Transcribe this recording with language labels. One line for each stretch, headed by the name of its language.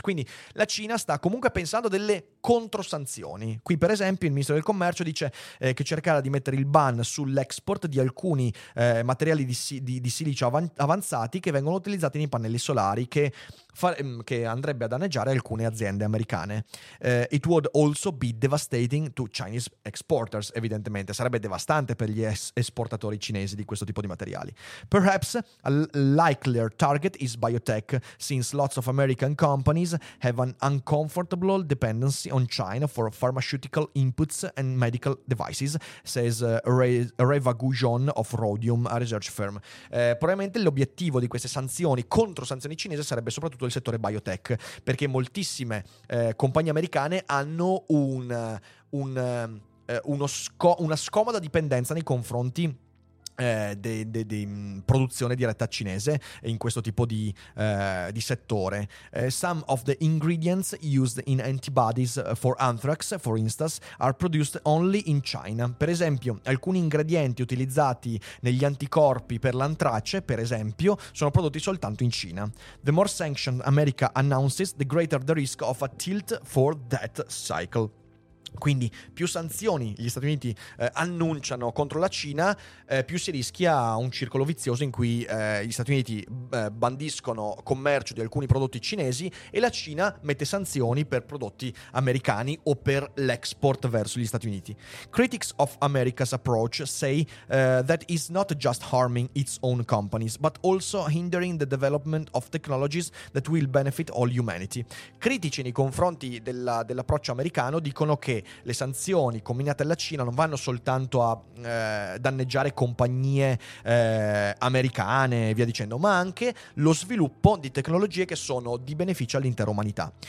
Italian: Quindi la Cina sta comunque pensando delle controsanzioni. Qui, per esempio, il ministro del commercio dice che cercherà di mettere il ban sull'export di alcuni materiali di silicio avanzati che vengono utilizzati nei pannelli solari, che andrebbe a danneggiare alcune aziende americane.
English: It would also be devastating to Chinese exporters,
Italian: evidentemente. Sarebbe devastante per gli esportatori cinesi di questo tipo di materiali.
English: Perhaps a likelier target is biotech, since lots of American companies have an uncomfortable dependency on China for pharmaceutical inputs and medical devices, says Reva Gujon of Rhodium, a research firm.
Italian: Probabilmente l'obiettivo di queste sanzioni, contro sanzioni cinesi, sarebbe soprattutto il settore biotech, perché moltissime compagnie americane hanno una scomoda dipendenza nei confronti di produzione diretta cinese in questo tipo di settore.
English: Some of the ingredients used in antibodies for anthrax, for instance, are produced only in China.
Italian: Per esempio, alcuni ingredienti utilizzati negli anticorpi per l'antrace, per esempio, sono prodotti soltanto in Cina.
English: The more sanctions America announces, the greater the risk of a tilt for that cycle.
Italian: Quindi più sanzioni gli Stati Uniti annunciano contro la Cina, più si rischia un circolo vizioso in cui gli Stati Uniti bandiscono commercio di alcuni prodotti cinesi e la Cina mette sanzioni per prodotti americani o per l'export verso gli Stati Uniti.
English: Critics of America's approach say that is not just harming its own companies, but also hindering the development of technologies that will benefit all humanity.
Italian: Critici nei confronti dell'approccio americano dicono che le sanzioni comminate alla Cina non vanno soltanto a danneggiare compagnie americane e via dicendo, ma anche lo sviluppo di tecnologie che sono di beneficio all'intera umanità.